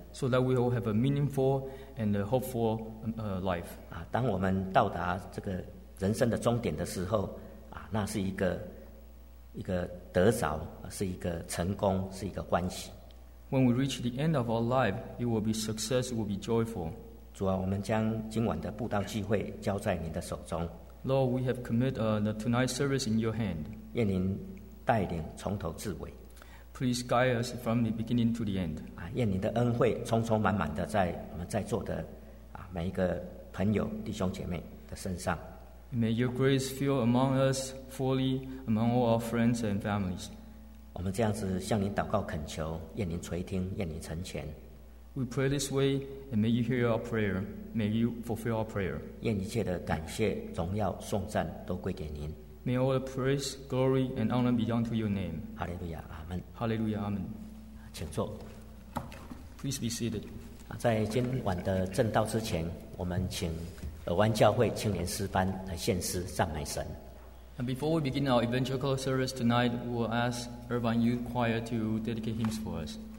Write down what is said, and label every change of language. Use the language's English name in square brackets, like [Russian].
[English] So that we all have a meaningful and a hopeful life. [Chinese] 当我们到达这个人生的终点的时候，那是一个得着，是一个成功，是一个欢喜。 [English] When we reach the end of our life, it will be success, it will be joyful. [Chinese] 主啊，我们将今晚的布道聚会交在您的手中。 [English] Lord, we have committed the tonight's service in your hand. [Chinese] 愿您带领从头至尾。 [English] Please guide us from the beginning to the end. [Chinese] 愿您的恩惠充充满满的在我们在座的每一个朋友弟兄姐妹的身上。 [English] May your grace fill among us fully among all our friends and families. [Chinese] 我们这样子向您祷告恳求，愿您垂听，愿您成全。 [English] We pray this way, and may you hear our prayer. May you fulfill our prayer. [Chinese] 愿一切的感谢、荣耀、颂赞都归给您。 [English] May all the praise, glory, and honor be unto your name. Hallelujah. Amen. Hallelujah. Amen. [Chinese] 请坐。 [English] Please be seated. [Chinese] 在今晚的正道之前，我们请尔湾教会青年诗班来献诗赞美神。 [English] And before we begin our evangelical service tonight, we will ask Irvine Youth Choir to dedicate hymns for us.